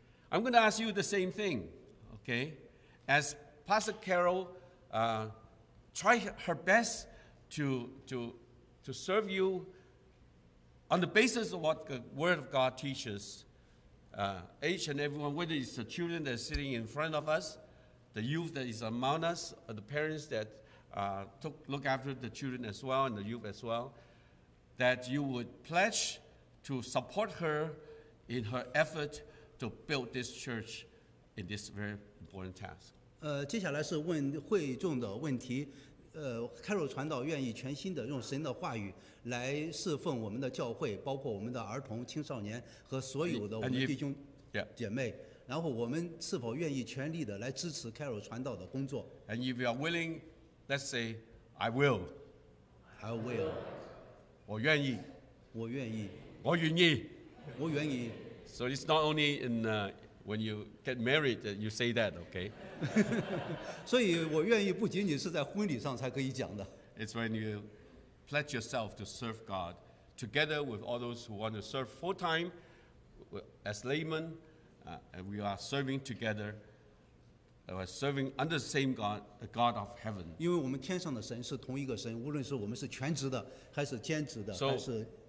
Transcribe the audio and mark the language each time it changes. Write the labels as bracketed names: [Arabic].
[English] I'm going to ask you the same thing, okay? As Pastor Carol tried her best to serve you on the basis of what the Word of God teaches, each and everyone, whether it's the children that are sitting in front of us, the youth that is among us, or the parents that look after the children as well and the youth as well, that you would pledge to support her in her effort to build this church in this very important task. [Chinese] 接下来是问会众的问题。Carol 传道愿意全心的用神的话语来侍奉我们的教会，包括我们的儿童、青少年和所有的我们弟兄姐妹。然后我们是否愿意全力的来支持 Carol 传道的工作 [English] ？And if you are willing, let's say, I will. I will. [Chinese] 我愿意。我愿意。我愿意。我愿意。 [English] So it's not only in when you get married that you say that, okay? [Chinese] 所以我愿意不仅仅是在婚礼上才可以讲的。 [English] It's when you pledge yourself to serve God together with all those who want to serve full time as laymen, and we are serving together. We are serving under the same God, the God of heaven. [Chinese] 因为我们天上的神是同一个神，无论是我们是全职的，还是兼职的，还是。